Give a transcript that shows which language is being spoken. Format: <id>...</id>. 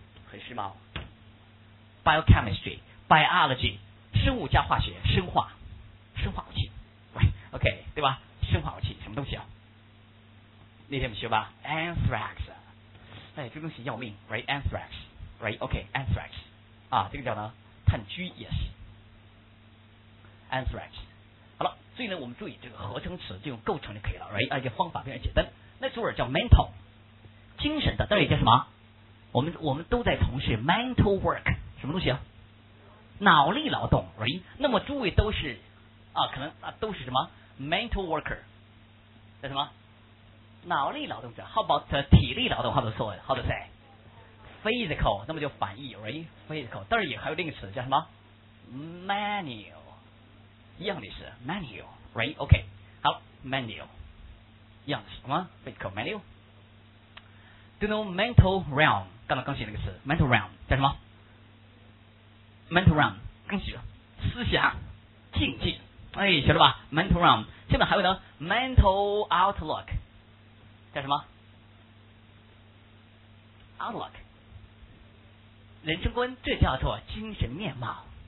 <zh>很时髦 biochemistry biology 生物加化学生化武器</zh> <en>right okay</en> <zh>对吧生化武器什么东西啊那天我们学吧 ，anthrax， 哎，这东西要命 ，right，anthrax， 啊，这个叫呢，炭疽 ，yes，anthrax， 好了，所以呢，我们注意这个合成词就用构成就可以了 ，right， 而且方法非常简单。那词儿叫 mental， 精神的，到底叫什么？我们都在从事 mental work， 什么东西啊？脑力劳动 ，right， 那么诸位都是啊，可能啊都是什么 mental worker， 叫什么？脑力劳动者 ，</zh> <en>How about</en> <zh>体力劳动 ？</zh> <en>How to say physical？</en> <zh>那么就反义 ，</zh> <en>right？</en> <zh>physical， 但是也还有另一个词叫什么 ？manual， 一样的是 manual， right？ OK， 好 ，manual， 一样的是什么 ？physical manual。</zh> <en>Do you know mental realm？</en> <zh>刚才刚写那个词 ，mental realm 叫什么 ？mental realm， 刚写思想境界，哎，学了吧 ？mental realm， 现在还有呢 ，mental outlook。叫什么 ？Outlook， 人生观，这叫做精神面貌。</zh>